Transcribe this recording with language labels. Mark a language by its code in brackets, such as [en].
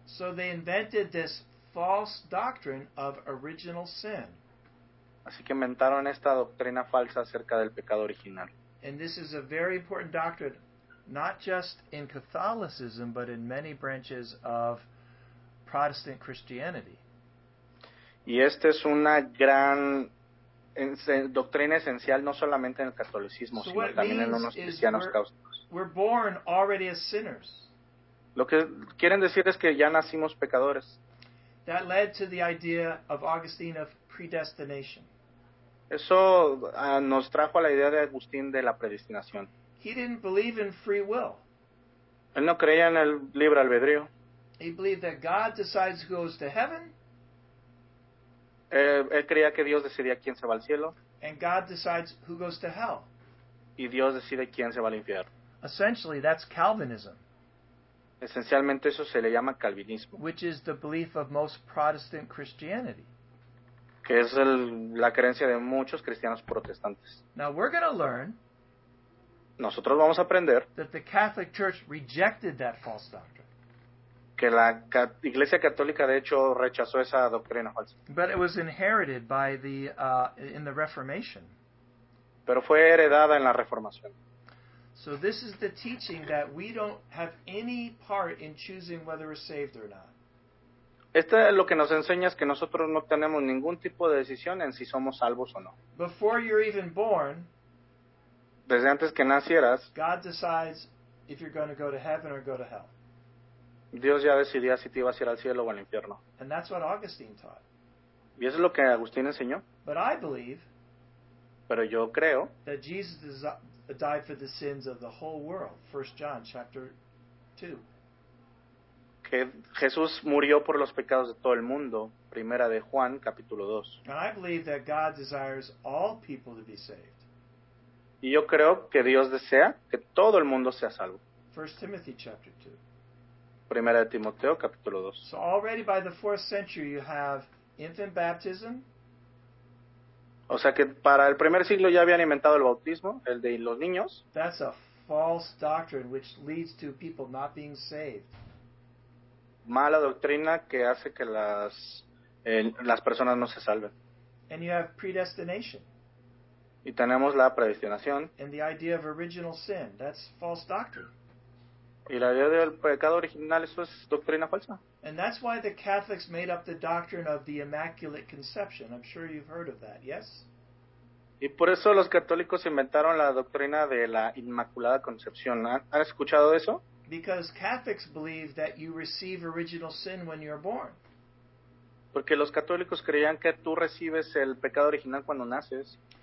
[en] So they invented this false doctrine of original sin. [es] Así que inventaron esta doctrina falsa acerca del pecado original. [en] And this is a very important doctrine, not just in Catholicism, but in many branches of Protestant Christianity. [es] Y esta es una gran doctrina esencial, no solamente en el catolicismo, [en] so [es] sino también en unos cristianos [en] católicos. We're born already as sinners. [es] Lo que quieren decir es que ya nacimos pecadores. [en] That led to the idea of Augustine of predestination. [es] Eso nos trajo a la idea de Agustín de la predestinación. [en] He didn't believe in free will. [es] Él no creía en el libre albedrío. [en] He believed that God decides who goes to heaven. [es] Él creía que Dios decidía quién se va al cielo. [en] And God decides who goes to hell. [es] Y Dios decide quién se va al infierno. [en] Essentially, that's Calvinism. [es] Esencialmente eso se le llama calvinismo. [en] Which is the belief of most Protestant Christianity. [es] Que es la creencia de muchos cristianos protestantes. [en] Now we're going to learn. [es] Nosotros vamos a aprender. [en] That the Catholic Church rejected that false doctrine. [es] Que la Iglesia Católica de hecho rechazó esa doctrina falsa. [en] But it was inherited by the in the Reformation. [es] Pero fue heredada en la Reformación. [en] So this is the teaching that we don't have any part in choosing whether we're saved or not. [es] Esto es lo que nos enseña es que nosotros no tenemos ningún tipo de decisión en si somos salvos o no. [en] Before you're even born, [es] desde antes que nacieras, [en] God decides if you're going to go to heaven or go to hell. [es] Dios ya decidía si te ibas a ir al cielo o al infierno. [en] And that's what Augustine taught. [es] Y eso es lo que Agustín enseñó. [en] But I believe, [es] pero yo creo, [en] that Jesus died for the sins of the whole world, 1 John chapter 2. [es] Que Jesús murió por los pecados de todo el mundo, Primera de Juan, capítulo 2. [en] And I believe that God desires all people to be saved. [es] Y yo creo que Dios desea que todo el mundo sea salvo. [en] 1 Timothy chapter 2. [es] Primera de Timoteo, capítulo 2. [en] So already by the 4th century you have infant baptism. [es] O sea que para el primer siglo ya habían inventado el bautismo, el de los niños. [en] That's a false doctrine which leads to people not being saved. [es] Mala doctrina que hace que las personas no se salven. [en] And you have predestination. [es] Y tenemos la predestinación. [en] And the idea of original sin, that's false doctrine. [es] Y la idea del pecado original, eso es doctrina falsa. [en] And that's why the Catholics made up the doctrine of the Immaculate Conception. I'm sure you've heard of that, yes? [es] Y por eso los católicos inventaron la doctrina de la Inmaculada Concepción. ¿Han escuchado eso? [en] Because Catholics believe that you receive original sin when you're born. [es] Porque los católicos creían que tú recibes el pecado original cuando naces.